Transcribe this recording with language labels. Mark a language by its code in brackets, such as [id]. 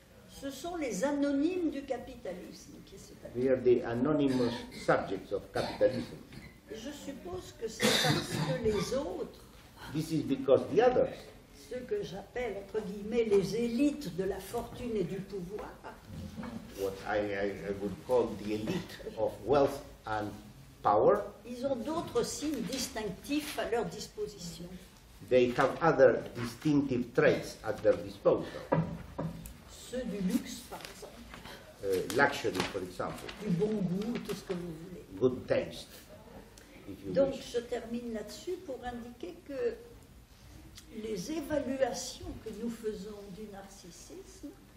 [fr] Ce sont les anonymes du capitalisme qui se tatouent. [en] They are the anonymous subjects of capitalism. [fr] Je suppose que c'est parce que les autres, [en] this is because the others, [fr] ceux que j'appelle, entre guillemets, les élites de la fortune et du pouvoir, [en] what I would call the elite of wealth and power, [fr] ils ont d'autres signes distinctifs à leur disposition. [en] They have other distinctive traits at their disposal. [fr] Ceux du luxe, par exemple. [en] Luxury, for example. [fr] Du bon goût, tout ce que vous voulez. [en] Good taste, if you [fr] donc, [en] wish. [fr] Je termine là-dessus pour indiquer que les évaluations que nous faisons du narcissisme,